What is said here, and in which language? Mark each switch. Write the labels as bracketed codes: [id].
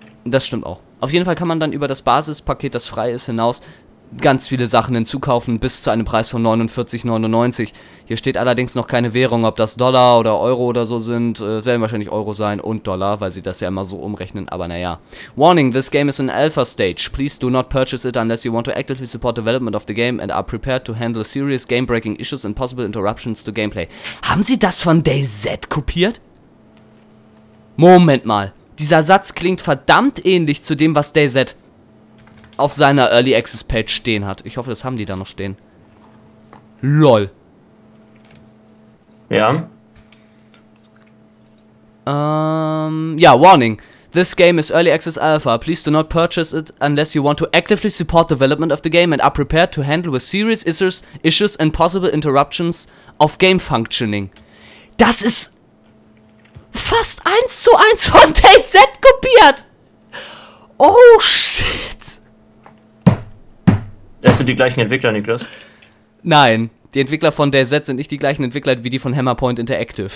[de] Das stimmt auch. Auf jeden Fall kann man dann über das Basispaket, das frei ist, hinaus ganz viele Sachen hinzukaufen, bis zu einem Preis von 49,99. Hier steht allerdings noch keine Währung, ob das Dollar oder Euro oder so sind. Es werden wahrscheinlich Euro sein und Dollar, weil sie das ja immer so umrechnen, aber naja. [en] Warning, this game is in Alpha Stage. Please do not purchase it unless you want to actively support development of the game and are prepared to handle serious game-breaking issues and possible interruptions to gameplay. [de] Haben sie das von DayZ kopiert? Moment mal. Dieser Satz klingt verdammt ähnlich zu dem, was DayZ auf seiner Early Access Page stehen hat. Ich hoffe, das haben die da noch stehen. [en] LOL. [de] Ja. [en] Warning. This game is early access alpha. Please do not purchase it unless you want to actively support development of the game and are prepared to handle with serious issues and possible interruptions of game functioning. [de] Das ist fast 1:1 von DayZ kopiert. [en] Oh shit. [de] Das sind die gleichen Entwickler, Niklas. Nein, die Entwickler von DayZ sind nicht die gleichen Entwickler wie die von Hammerpoint Interactive.